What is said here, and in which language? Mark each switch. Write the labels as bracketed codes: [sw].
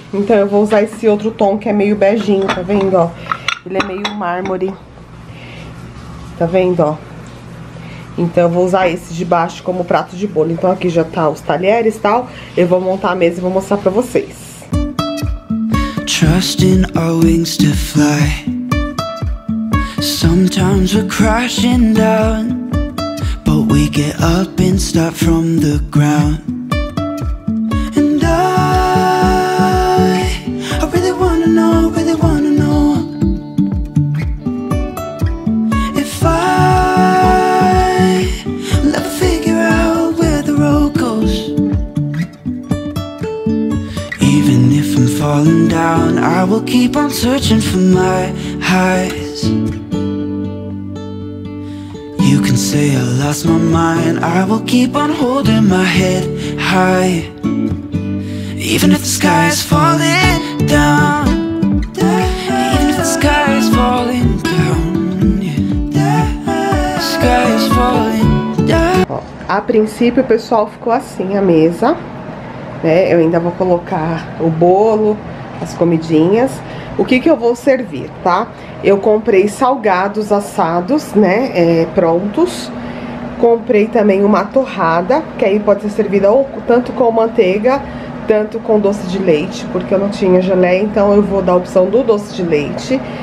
[pt] Então, eu vou usar esse outro tom, que é meio beijinho, tá vendo, ó? Ele é meio mármore. Tá vendo, ó? Então, eu vou usar esse de baixo como prato de bolo. Então, aqui já tá os talheres e tal. Eu vou montar a mesa e vou mostrar pra vocês. [en] Trust in our wings to fly. Sometimes we're crashing down, but we get up and start from the ground. And I really wanna know, really wanna know if I'll ever figure out where the road goes. Even if I'm falling down, I will keep on searching for my highs. Say I lost my mind, I will keep on holding my head high. Even if the sky is falling down, even if the sky is falling down, the sky is falling down. [pt] A princípio, o pessoal, ficou assim a mesa, né? Eu ainda vou colocar o bolo, as comidinhas. O que que eu vou servir, tá? Eu comprei salgados assados, né, prontos. Comprei também uma torrada, que aí pode ser servida ou tanto com manteiga, tanto com doce de leite, porque eu não tinha geleia, então eu vou dar a opção do doce de leite.